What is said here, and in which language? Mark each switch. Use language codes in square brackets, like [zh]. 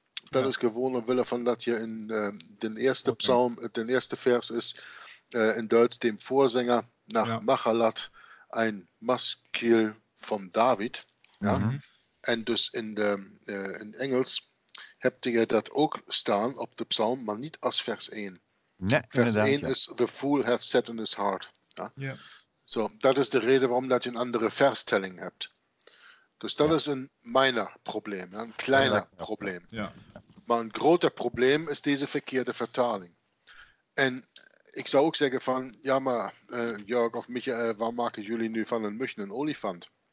[nl] Dat is gewoon omwille van dat je in den eerste psalm, den eerste vers is, in Duits, [de] dem Vorsänger nach Machalat, ein Maskil von David. [nl] Ja. Mhm. En dus in Engels heb je dat ook staan op de psalm, maar niet als vers 1. Nee, vers 1 is [en] the fool hath said in his heart. [nl] Ja. So, dat is de reden waarom dat je een andere verstelling hebt. Dus dat is een minor probleem, een kleiner probleem. Ja. Maar een groter probleem is deze verkeerde vertaling. En ik zou ook zeggen van, ja maar Jörg of Michael, waar maken jullie nu van een mug en een olifant?